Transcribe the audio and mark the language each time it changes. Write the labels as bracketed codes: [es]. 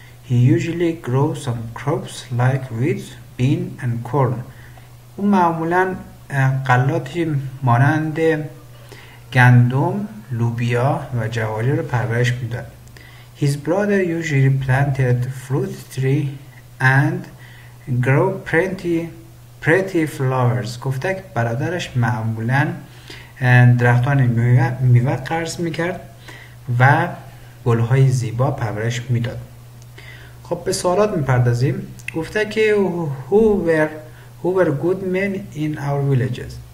[en] He usually grows some crops like wheat, bean and corn. [fa] او معمولا غلاتی مانند گندم، لوبیا و جواری را پرورش می‌داد. [en] His brother usually planted fruit tree and grow pretty flowers. [fa] گفته که برادرش معمولا درختان میوه قرض می‌کرد و گل‌های زیبا پرورش می‌داد. خب به سوالات میپردازیم. گفته که [en] who were good men in our villages.